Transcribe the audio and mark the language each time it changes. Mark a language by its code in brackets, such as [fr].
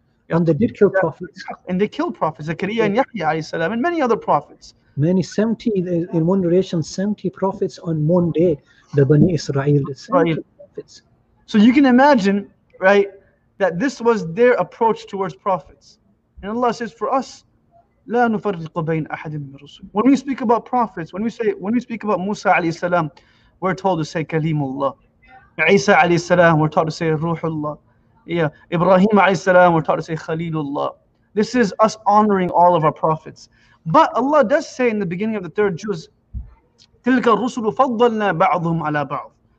[en] And they did kill prophets. And they killed prophets. Zakaria and Yahya alayhi salam, and many other prophets. Many, 70, in one narration, 70 prophets on one day, the Bani Israel. Prophets. So you can imagine, right, that this was their approach towards prophets. And Allah says for us, [ar] لا نفرق بين أحد من الرسل. [en] When we speak about prophets, when we speak about Musa alayhi salam, we're told to say Kalimullah. Isa alayhi salam, we're taught to say Ruhullah. Yeah. Ibrahim alayhi salam, we're taught to say Khalilullah. This is us honoring all of our prophets. But Allah does say in the beginning of the third juz, [ar] تِلْكَ الرُّسُلُ فَضَّلْنَا بَعْضُهُمْ عَلَى بَعْضٍ.